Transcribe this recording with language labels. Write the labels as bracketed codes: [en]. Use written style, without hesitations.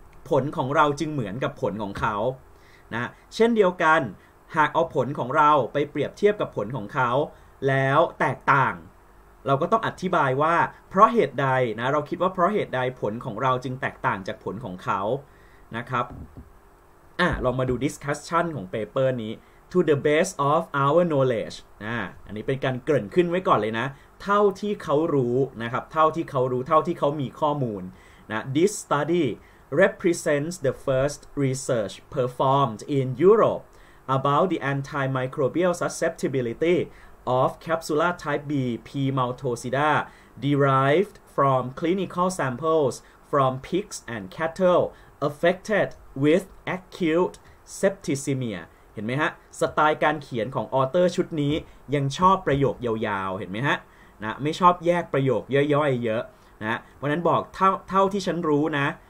[th] ผลของเราจึงเหมือนกับผลของเขานะเช่นเดียวกันหากเอาผลของเราไปเปรียบเทียบกับผลของเขาแล้วแตกต่างเราก็ต้องอธิบายว่าเพราะเหตุใดนะเราคิดว่าเพราะเหตุใดผลของเราจึงแตกต่างจากผลของเขานะครับลองมาดู discussion ของ paper นี้ [en] to the best of our knowledge [th] นะอันนี้เป็นการเกริ่นขึ้นไว้ก่อนเลยนะเท่าที่เขารู้นะครับเท่าที่เขารู้เท่าที่เขามีข้อมูลนะ [en] this study represents the first research performed in Europe about the antimicrobial susceptibility of capsula type B P. maltosida derived from clinical samples from pigs and cattle affected with acute septicemia [th] เห็นไหมฮะสไตล์การเขียนของออเตอร์ชุดนี้ยังชอบประโยคยาวๆเห็นไหมฮะนะไม่ชอบแยกประโยคย่อยๆเยอะนะเพราะนั้นบอกเท่าที่ฉันรู้นะ